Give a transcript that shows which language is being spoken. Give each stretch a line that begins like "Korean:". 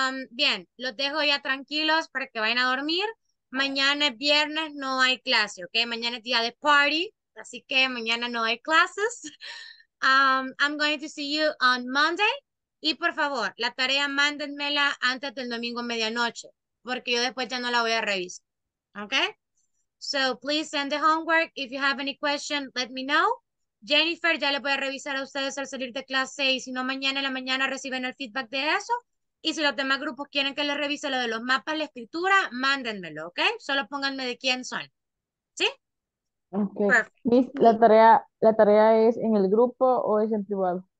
Spanish: Bien, los dejo ya tranquilos para que vayan a dormir. Mañana es viernes, no hay clase, ¿ok? Mañana es día de party, así que mañana no hay clases.
English: I'm going to see you on Monday.
Spanish: Y por favor, la tarea mándenmela antes del domingo medianoche, porque yo después ya no la voy a revisar, ¿ok?
English: So please send the homework. If you have any question, let me know.
Spanish: Jennifer, ya le voy a revisar a ustedes al salir de clase y si no, mañana en la mañana reciben el feedback de eso. Y si los demás grupos quieren que les revise lo de los mapas, la escritura, mándenmelo, ¿ok? Solo pónganme de quién son. ¿Sí?
English: Ok.
Spanish: Miss, ¿la tarea es en el grupo o es en privado?